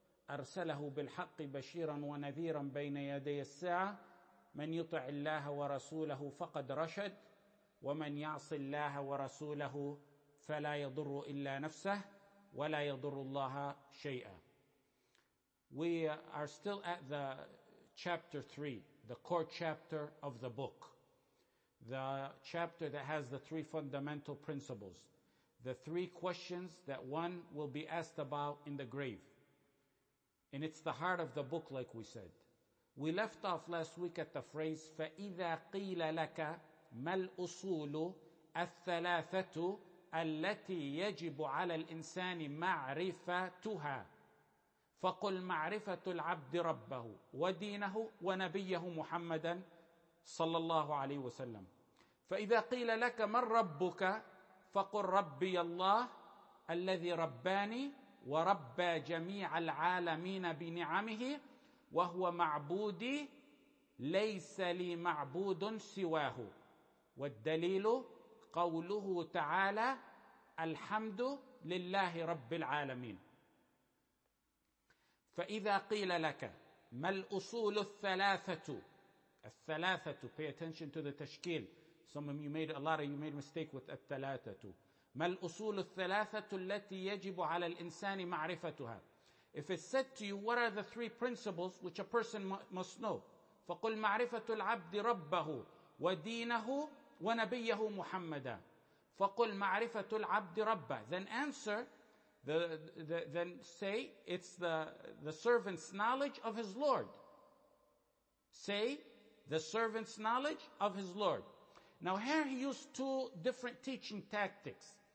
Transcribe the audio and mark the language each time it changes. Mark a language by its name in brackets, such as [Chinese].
[Arabic] أرسله بالحق بشيرا ونذيرا بين يدي الساعة من يطع الله ورسوله فقد رشد ومن يعص الله ورسوله فلا يضر إلا نفسه ولا يضر الله شيئا. [English] We are still at the chapter 3, the core chapter of the book. The chapter that has the three fundamental principles. The three questions that one will be asked about in the grave. And it's the heart of the book, like we said. We left off last week at the phrase, [Arabic] فَإِذَا قِيلَ لَكَ مَا الْأُصُولُ الثَّلَاثَةُ الَّتِي يَجِبُ عَلَى الْإِنسَانِ مَعْرِفَتُهَا فَقُلْ مَعْرِفَةُ الْعَبْدِ رَبَّهُ وَدِينَهُ وَنَبِيَّهُ مُحَمَّدًا صلى الله عليه وسلم. فَإِذَا قِيلَ لَكَ مَا رَبُّكَ فَقُلْ رَبِّيَ اللَّهُ الَّذِي رَبَّانِي وربى جميع العالمين بنعمه وهو معبودي ليس لي معبود سواه والدليل قوله تعالى الحمد لله رب العالمين. فإذا قيل لك ما الأصول الثلاثة الثلاثة. [English] Pay attention to the تشكيل. Some of you made a lot of you made a mistake with الثلاثة. [Arabic] ما الأصول الثلاثة التي يجب على الإنسان معرفتها. [English] If it's said to you, what are the three principles which a person must know? [Arabic] فقل معرفة العبد ربه ودينه ونبيه محمدا. فقل معرفة العبد ربه. [English] Then answer, then say, it's the servant's knowledge of his Lord. Say, the servant's knowledge of his Lord. Now here he used two different teaching tactics.